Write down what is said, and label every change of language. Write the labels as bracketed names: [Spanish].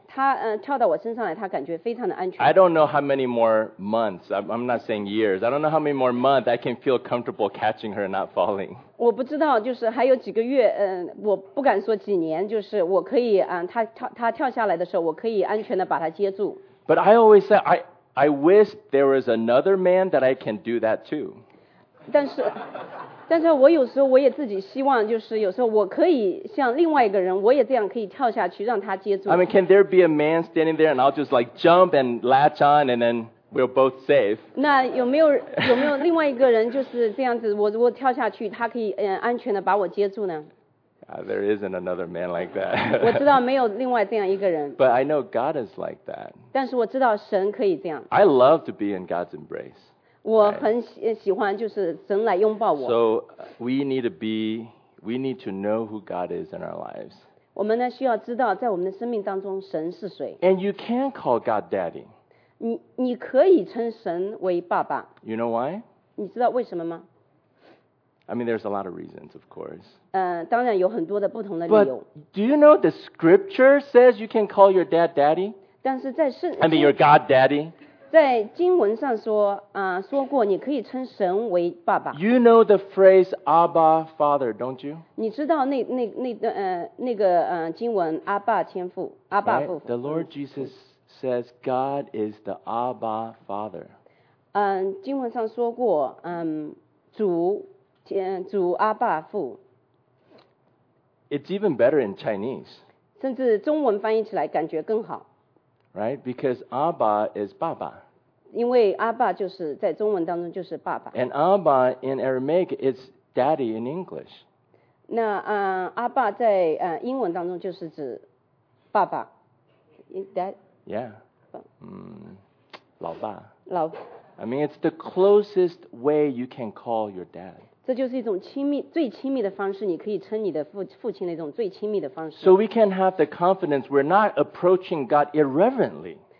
[Chinese] 他跳到我身上来，他感觉非常的安全。 [English] I don't know how many more months. I'm not saying years. I don't know how many more months I can feel comfortable catching her and not falling. [Chinese] 我不知道，就是还有几个月，我不敢说几年，就是我可以他跳下来的时候，我可以安全的把他接住。 [English] But I always say I wish there was another man that I can do that to. [Chinese] 但是我有时候我也自己希望就是有时候我可以像另外一个人我也这样可以跳下去让他接住 [English] I mean, can there be a man standing there and I'll just like jump and latch on and then we're both safe? [Chinese] 那有没有另外一个人就是这样子我跳下去他可以安全的把我接住呢 [English] There isn't another man like that. [Chinese] 我知道没有另外这样一个人 [English] But I know God is like that. [Chinese] 但是我知道神可以这样 [English] I love to be in God's embrace. [Chinese] 我很喜欢就是神来拥抱我。 [English] So we need to know who God is in our lives. [Chinese] 我们呢需要知道在我们的生命当中神是谁。 [English] And you can call God Daddy. [Chinese] 你可以称神为爸爸。 [English] You know why? [Chinese] 你知道为什么吗 [English] ？I mean, there's a lot of reasons, of course. [Chinese] 当然有很多的不同的理由。 [English] But do you know the Scripture says you can call your dad Daddy? [Chinese] 但是在圣 [English] I mean, your God Daddy. [Chinese] 在经文上说，说过你可以称神为爸爸。 [English] You know the phrase "Abba, Father," don't you? [Chinese] 你知道那个经文，阿爸天父，阿爸父。 [English] Right? The Lord Jesus says God is the Abba Father. [Chinese] 经文上说过，主阿爸父。 [English] It's even better in Chinese. [Chinese] 甚至中文翻译起来感觉更好。 [English] Right? Because Abba is 爸爸。 [Chinese] 因为阿爸就是在中文当中就是爸爸。 [English] And Abba in Aramaic is daddy in English. [Chinese] 那阿爸在英文当中就是指爸爸。 [English] Dad? [Chinese] Yeah. 老爸。老爸。 [English] I mean, it's the closest way you can call your dad. [Chinese] 这就是一种最亲密的方式你可以称你的父亲的一种最亲密的方式。 [English] So we can have the confidence we're not approaching God irreverently.